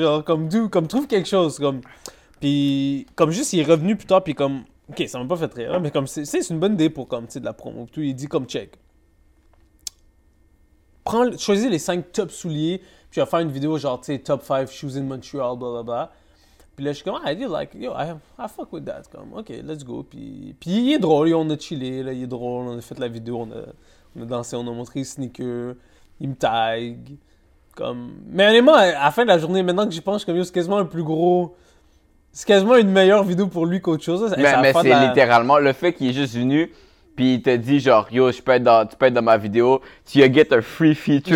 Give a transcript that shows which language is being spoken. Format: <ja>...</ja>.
<fr>Genre, comme, dude, comme, trouve quelque chose, comme... Puis, comme juste, il est revenu plus tard, puis comme, OK, ça m'a pas fait rire, mais comme, c'est une bonne idée pour, comme, tu sais, de la promo. Tout, il dit, comme, check. Choisis les 5 top souliers, puis tu vas faire une vidéo, genre, tu sais,</fr> <en>top 5 shoes in Montreal,</en> <fr>blablabla. Puis là, je suis comme,</fr> <en>I do like, yo, I fuck with that, comme, OK, let's go.</en> <fr>Puis, il est drôle, yo, on a chillé, là, il est drôle, on a fait la vidéo, on a dansé, on a montré les sneakers, il me tag, comme... Mais honnêtement, à la fin de la journée, maintenant que j'y pense, comme, yo, c'est quasiment le plus gros... C'est quasiment une meilleure vidéo pour lui qu'autre chose. Mais c'est littéralement le fait qu'il est juste venu, puis il t'a dit genre, yo, tu peux être dans ma vidéo, tu vas</fr> <en>get a free feature,</en>